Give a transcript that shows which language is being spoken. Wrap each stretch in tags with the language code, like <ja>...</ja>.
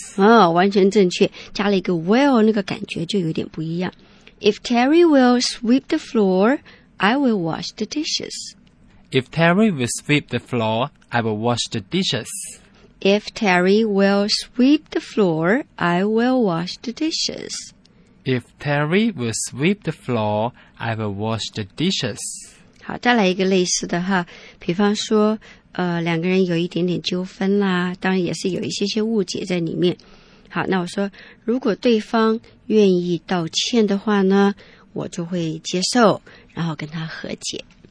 <zh>哦、完全正确，加了一个 will 那个感觉就有点不一样。</zh> <en>If Terry will sweep the floor,I will wash the dishes. If Terry will sweep the floor, I will wash the dishes. If Terry will sweep the floor, I will wash the dishes. If Terry will sweep the floor, I will wash the dishes.</en> <zh>好，再来一个类似的哈，比方说，两个人有一点点纠纷啦，当然也是有一些些误解在里面。好，那我说，如果对方愿意道歉的话呢，我就会接受，然后跟他和解。</zh>